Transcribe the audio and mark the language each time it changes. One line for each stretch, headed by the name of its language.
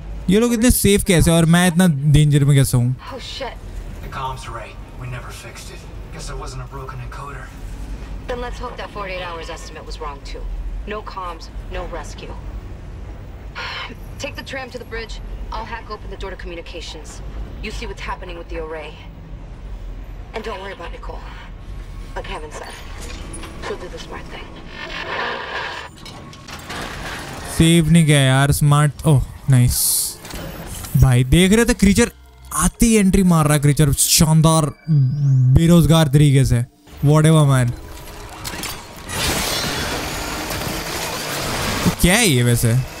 Hindi: ये लोग इतने सेफ कैसे और मैं इतना डेंजर में कैसे हूँ?
English: The comms array, we never fixed it. Guess it wasn't a broken encoder. Then let's hope that 48 hours estimate was wrong too. No comms, no rescue. Take the tram to the bridge. I'll hack open the door to communications. You see what's happening with the array. And don't worry about Nicole. Like Kevin said, she'll do the smart thing.
Hindi: Save नहीं गया यार smart. Oh nice भाई, देख रहे थे creature आती entry मार रहा, क्रीचर शानदार बेरोजगार तरीके से।
English: whatever man,
Hindi: क्या है ये वैसे?